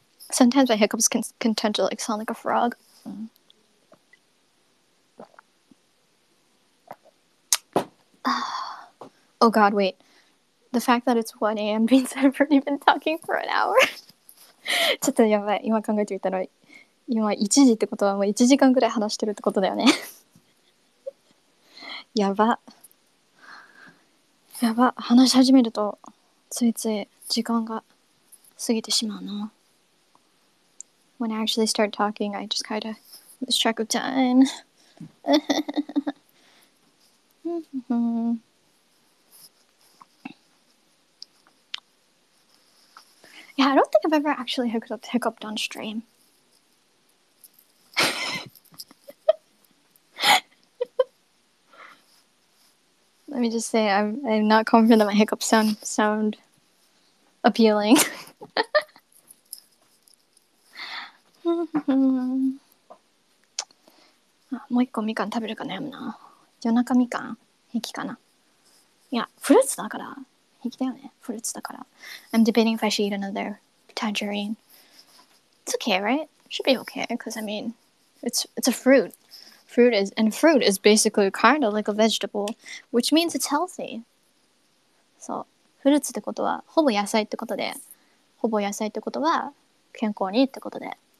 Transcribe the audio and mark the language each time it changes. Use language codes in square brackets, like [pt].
[en] Sometimes my hiccups can tend to like sound like a frog. Mm. Oh god, wait. The fact that it's 1 a.m. means I've already been talking for an hour. [ja] ちょっとやばい。今考えてみたら、今1時ってことはもう1時間ぐらい話してるってことだよね。やば。やば、話し始めるとついつい時間が過ぎてしまうな。 [en] When I actually start talking, I just kind of lose track of time. Yeah, I don't think I've ever actually hiccuped on stream. Let me just say, I'm not confident that my hiccups sound appealing. [ja] もう一個みかん食べるか悩むな。夜中みかん平気かな? Yeah, フルーツだから。平気だよね。フルーツだから。 [en] I'm debating if I should eat another tangerine. It's okay, right? Should be okay, because I mean, it's a fruit. Fruit is basically kind of like a vegetable, which means it's healthy. [ja] So, フルーツってことはほぼ野菜ってことで、ほぼ野菜ってことは健康にってことで。